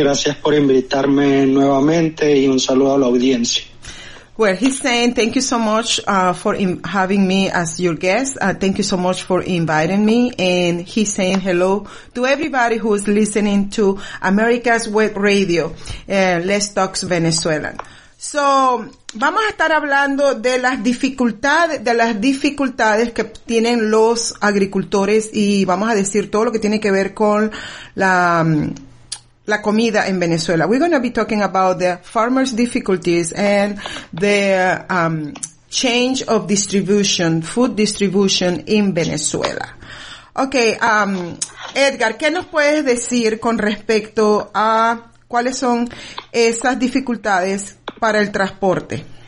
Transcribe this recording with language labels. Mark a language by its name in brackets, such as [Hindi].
[Spanish] Gracias por invitarme nuevamente y un saludo a la audiencia. [English] Well, he's saying thank you so much for having me as your guest. Thank you so much for inviting me. And he's saying hello to everybody who's listening to America's Web Radio, Let's Talk Venezuelan. [Spanish] So, vamos a estar hablando de las dificultades que tienen los agricultores y vamos a decir todo lo que tiene que ver con la comida en Venezuela. [English] We're going to be talking about the farmers' difficulties and the change of distribution, food distribution in Venezuela. [Spanish] Okay, Edgar, ¿qué nos puedes decir con respecto a cuáles son esas dificultades para el transporte?